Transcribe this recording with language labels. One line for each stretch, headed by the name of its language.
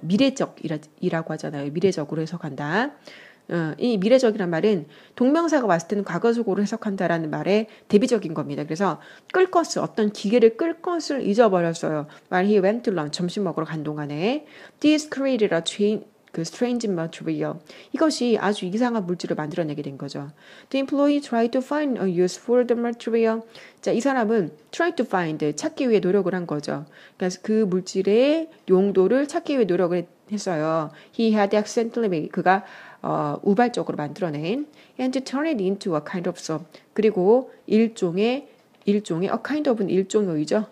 Korean: 미래적이라고 하잖아요. 미래적으로 해석한다. 이 미래적이란 말은 동명사가 왔을 때는 과거적으로 해석한다라는 말의 대비적인 겁니다. 그래서 끌 것을, 어떤 기계를 끌 것을 잊어버렸어요.
English: While he went to lunch,
Korean: 점심 먹으러 간 동안에
English: this created a chain 그 strange material.
Korean: 이것이 아주 이상한 물질을 만들어내게 된 거죠.
English: The employee tried to find a use for the material.
Korean: 자, 이 사람은
English: try to find,
Korean: 찾기 위해 노력을 한 거죠. 그래서 그 물질의 용도를 찾기 위해 노력을 했어요.
English: He had accidentally made,
Korean: 그가 우발적으로 만들어낸,
English: and to turn it into a kind of soap.
Korean: 그리고 일종의,
English: a kind of
Korean: 는 일종의죠.